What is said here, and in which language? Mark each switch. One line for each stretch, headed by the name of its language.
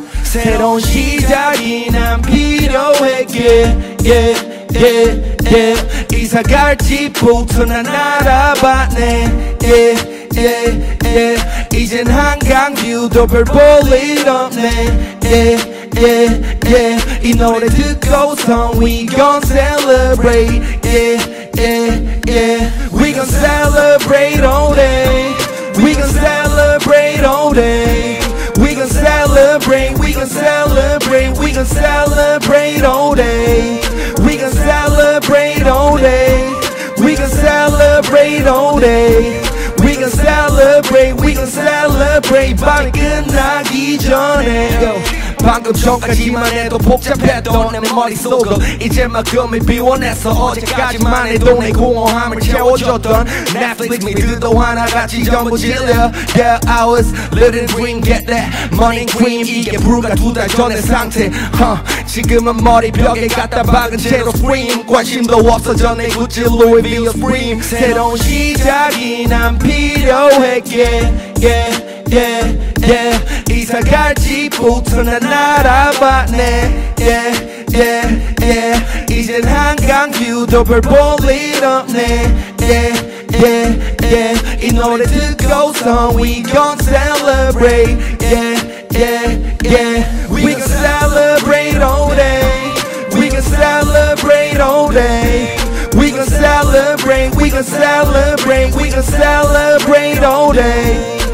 Korean: 새로운 시작이 난 필요해.
English: Yeah, yeah, yeah.
Korean: 이사 갈 집부터 난 알아봤네.
English: Yeah, yeah, yeah.
Korean: 이젠 한강뷰도 별 볼 일 없네.
English: Yeah, yeah, yeah.
Korean: 이 노래 듣고서
English: We gon' celebrate. Yeah, yeah, yeah. We gon' celebrate all day. We gon' celebrate all day. We gon' celebrate. We gon' celebrate. We gon' celebrate all day. We can celebrate all day. We can celebrate. We can celebrate.
Korean: 밤이 끝나기 전에. 방금 전까지만 해도 복잡했던 내 머릿속은 이제 막 꿈을 비워냈어. 어제까지만 해도 내 공허함을 채워줬던 넷플릭스 미드도 하나같이 전부 질려.
English: Yeah, I was living dream, get that morning cream.
Korean: 이게 불과 두 달 전의 상태. 지금은 머리벽에 갖다 박은 채로 scream. 관심도 없어 전에 구찌 루이비어 scream. 새로운 시작이 난 필요해.
English: Yeah, yeah, yeah, yeah.
Korean: 이사 갈 집부터 난 알아봤네.
English: Yeah, yeah, yeah.
Korean: 이젠 한강뷰도 별 볼 일 없네.
English: Yeah, yeah, yeah.
Korean: 이 노래 듣고서
English: We gon' celebrate. Yeah, yeah, yeah. We gon' celebrate all day. We gon' celebrate all day. We gon' celebrate. We gon' celebrate. We gon' celebrate all day.